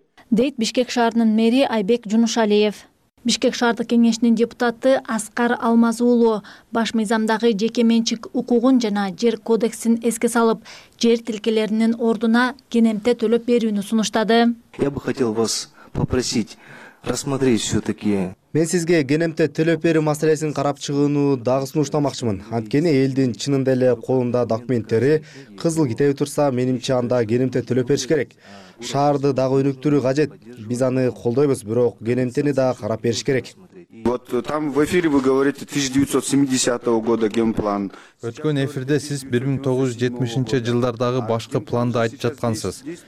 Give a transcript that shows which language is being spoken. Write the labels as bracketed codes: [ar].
[ky] Дейт Бишкек шаарынын мэри Айбек Жунушалиев. Бишкек шаардык кеңешинин депутаты Аскар Алмаз уулу баш мыйзамдагы жеке менчик укугун жана жер кодексин эске салып, жер тилкелеринин ордуна кенемте төлөп берүүнү сунуштады. [ru] Я бы хотел вас попросить рассмотреть всё-таки. [ky] Мен сизге кенемте төлөп берүү маселесин карап чыгууну дагы сунуштамакчымын. Анткени элдин чынында эле колунда документтери кызыл китеп турса, менимче анда кенемте төлөп бериш керек. Шаарды дагы өнүктүрүү кажет. Биз аны колдойбуз, бирок кенемтени дагы карап бериш керек. [ru] Вот там в эфире вы говорите 1970 года генплан. [ky] Өткөн эфирде сиз 1970 жылдардагы башкы планды айтып жаткансыз.